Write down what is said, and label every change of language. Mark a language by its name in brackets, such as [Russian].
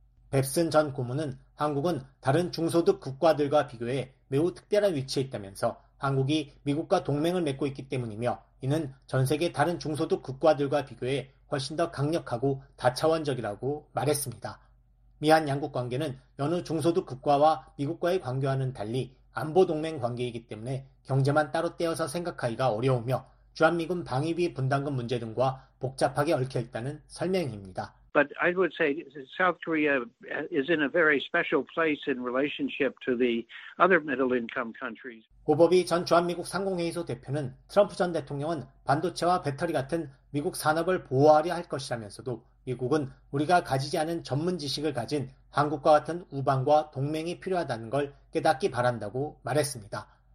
[Korean] 뱁슨 전 고문은 한국은 다른 중소득 국가들과 비교해 매우 특별한 위치에 있다면서 한국이 미국과 동맹을 맺고 있기 때문이며 이는 전 세계 다른 중소득 국가들과 비교해 훨씬 더 강력하고 다차원적이라고 말했습니다. 미한 양국 관계는 여느 중소득 국가와 미국과의 관계와는 달리 안보 동맹 관계이기 때문에 경제만 따로 떼어서 생각하기가 어려우며 주한미군 방위비 분담금 문제 등과 복잡하게 얽혀 있다는 설명입니다. [English] But I would say South Korea is in a very special place in relationship to the other middle-income countries. [Korean] 오버비 전 주한미국 상공회의소 대표는 트럼프 전 대통령은 반도체와 배터리 같은 미국 산업을 보호하려 할 것이라면서도 미국은 우리가 가지지 않은 전문 지식을 가진 한국과 같은 우방과 동맹이 필요하다는 걸 깨닫기 바란다고 말했습니다.